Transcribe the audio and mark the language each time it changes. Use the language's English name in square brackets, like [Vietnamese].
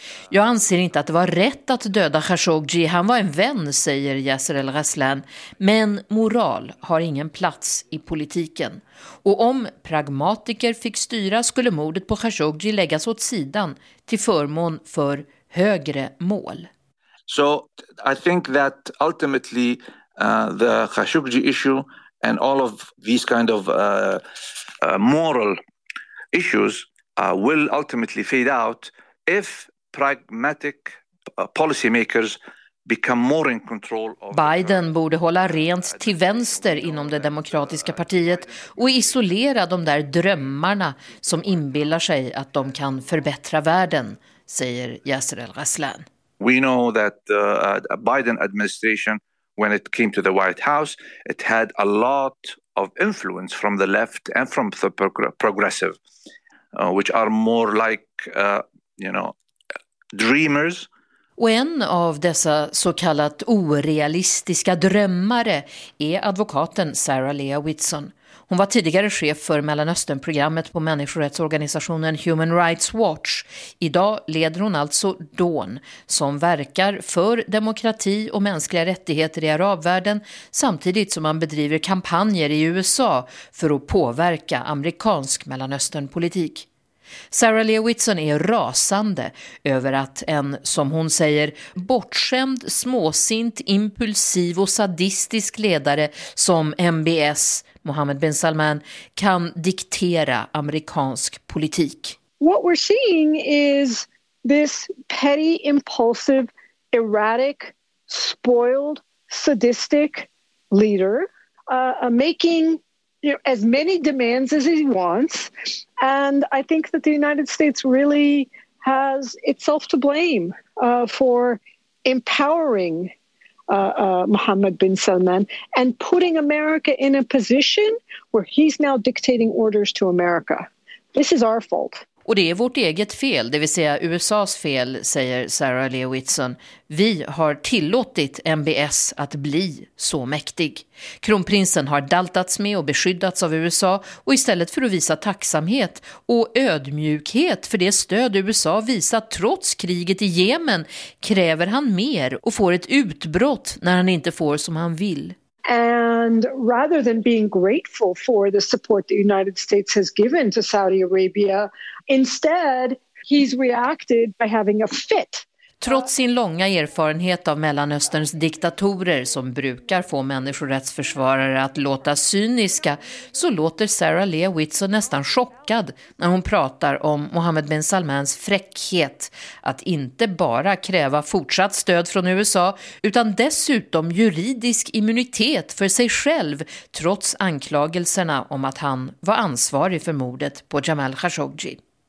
[Swedish] Jag anser inte att det var rätt att döda Khashoggi, han var en vän, säger Yasser el-Raslan, men moral har ingen plats i politiken. Och om pragmatiker fick styra skulle mordet på Khashoggi läggas åt sidan till förmån för högre mål. [English] So I think that ultimately the Khashoggi issue and all of these kind of moral issues will ultimately fade out if pragmatic policymakers become more in control of. [Swedish] Biden borde hålla rent till vänster inom det demokratiska partiet och isolera de där drömmarna som inbillar sig att de kan förbättra världen, säger Yasser el-Raslan. [English] We know that the Biden administration, when it came to the White House, it had a lot of influence from the left and from the progressive, which are more like dreamers. [Swedish] Och en av dessa så kallat orealistiska drömmare är advokaten Sarah Leah Whitson. Hon var tidigare chef för Mellanösternprogrammet på människorättsorganisationen Human Rights Watch. Idag leder hon alltså DAWN, som verkar för demokrati och mänskliga rättigheter i arabvärlden, samtidigt som man bedriver kampanjer i USA för att påverka amerikansk Mellanösternpolitik. Sarah Leah Whitson är rasande över att en, som hon säger, bortskämd, småsint, impulsiv och sadistisk ledare som MBS, Mohammed bin Salman, kan diktera amerikansk politik. [English] What we're seeing is this petty, impulsive, erratic, spoiled, sadistic leader making as many demands as he wants. And I think that the United States really has itself to blame for empowering Mohammed bin Salman and putting America in a position where he's now dictating orders to America. This is our fault. [Swedish] Och det är vårt eget fel, det vill säga USA:s fel, säger Sarah Leah Whitson. Vi har tillåtit MBS att bli så mäktig. Kronprinsen har daltats med och beskyddats av USA, och istället för att visa tacksamhet och ödmjukhet för det stöd USA visat trots kriget i Jemen, kräver han mer och får ett utbrott när han inte får som han vill. [English] And rather than being grateful for the support the United States has given to Saudi Arabia, instead he's reacted by having a fit. [Swedish] Trots sin långa erfarenhet av Mellanösterns diktatorer som brukar få människorättsförsvarare att låta cyniska, så låter Sarah Lee Whitson nästan chockad när hon pratar om Mohammed bin Salmans fräckhet att inte bara kräva fortsatt stöd från USA utan dessutom juridisk immunitet för sig själv trots anklagelserna om att han var ansvarig för mordet på Jamal Khashoggi.